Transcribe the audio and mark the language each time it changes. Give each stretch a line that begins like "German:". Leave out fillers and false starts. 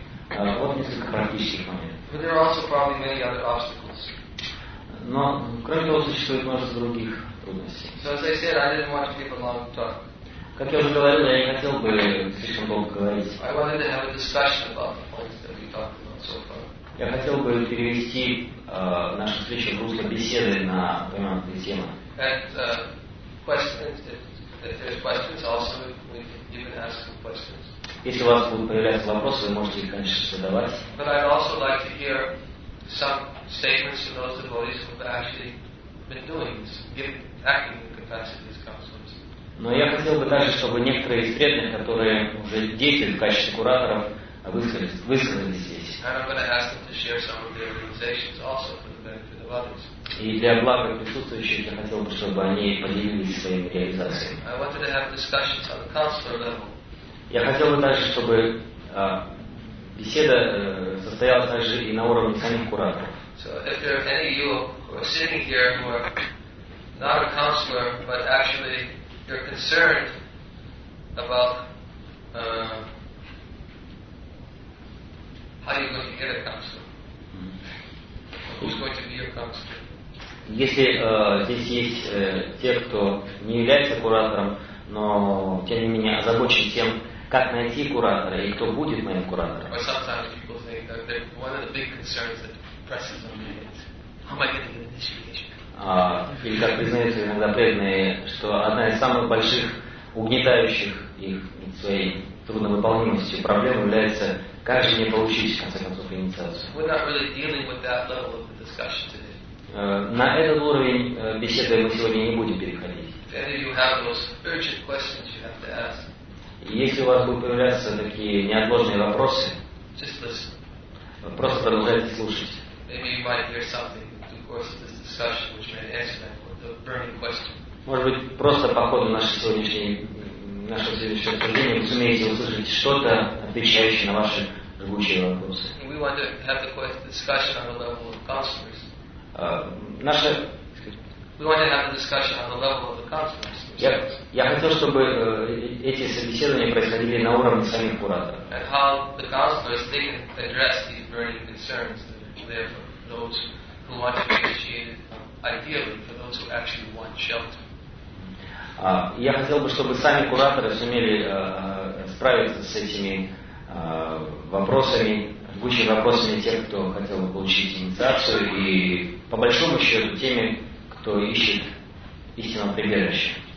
English: But there are also probably many other obstacles.
Russian: Но, кроме того, существует множество других трудностей.
English: So as I said, I didn't want to give a long talk.
Russian: Как я уже говорил, я не хотел бы слишком долго говорить.
English: I wanted to have a discussion about the points that we talked about so far.
Russian: Я хотел бы перевести нашу встречу в русло беседы на понятные темы.
English: And questions, if there's questions, also we can even ask some questions.
Russian: Если у вас будут появляться вопросы, вы можете их, конечно, задавать.
English: But I'd also like to hear some statements from those devotees who have actually been doing this, acting in capacity as counselors.
Russian: Но я хотел бы также, чтобы некоторые из преданных, которые уже действуют в качестве кураторов, высказались здесь.
English: And I'm going to ask them to share some of their realizations also for the benefit of others.
Russian: И для блага присутствующих я хотел бы, чтобы они поделились своими реализациями.
English: I wanted to have discussions on the counselor level.
Russian: Я хотел бы также, чтобы беседа состоялась также и на уровне самих кураторов.
English: So if there are any of you who are sitting here who are not a counselor, but actually you're concerned about how you're going to get a counselor. Who's going to be your counselor?
Russian: Если здесь есть те, кто не является куратором, но тем не менее озабочен тем, как найти куратора и кто будет моим куратором.
English: Or sometimes people think that they're one of the big concerns that presses on me is how am I going to get initiation?
Russian: Или как признаются иногда преданные, что одна из самых больших угнетающих их своей трудновыполнимостью проблем является, как же мне получить, в конце концов, инициацию.
English: We're not really dealing with that level of the discussion today.
Russian: На этот уровень беседы мы сегодня не будем переходить.
English: Then you have those urgent questions you have to ask.
Russian: Если у вас будут появляться такие неотложные вопросы,
English: just listen.
Russian: Просто продолжайте слушать.
English: Maybe you might hear something in the course of this discussion which may answer that the burning question.
Russian: Может быть, просто по ходу нашего сегодняшнего обсуждения вы сумеете услышать что-то, отвечающее на ваши живущие вопросы.
English: We want to have the discussion on the level of counselors. We want to have a discussion on the level of the counselors.
Russian: Я хотел, чтобы эти собеседования происходили на уровне самих кураторов.
English: And how the counselors think address these burning concerns that they have for those who want to be initiated, ideally for those who actually want shelter.
Russian: Я хотел бы, чтобы сами кураторы сумели справиться с этими вопросами, будущими вопросами тех, кто хотел бы получить инициацию, и по большому счету теми, кто ищет истинного прибежища.